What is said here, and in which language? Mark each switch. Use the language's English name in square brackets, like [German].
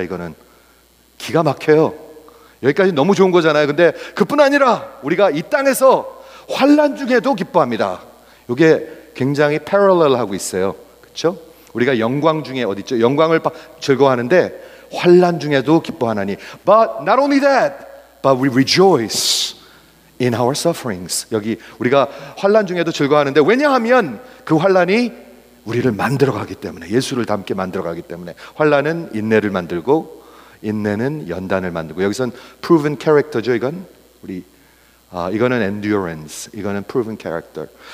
[Korean] 이거는 기가 막혀요. 여기까지 너무 좋은 거잖아요. 근데 그뿐 아니라 우리가 이 땅에서 환난 중에도 기뻐합니다. 이게 굉장히 parallel하고 있어요. 그렇죠? 우리가 영광 중에 어디 있죠? 영광을 즐거워하는데 환난 중에도 기뻐하나니. [English] But not only that, but we rejoice in our sufferings. [Korean] 여기 우리가 환난 중에도 즐거워하는데 왜냐하면 그 환난이 우리를 만들어가기 때문에, 예수를 닮게 만들어가기 때문에. 환난은 인내를 만들고 인내는 연단을 만들고, 여기서는 proven character죠. 이건 우리 이거는 endurance, 이거는 proven character.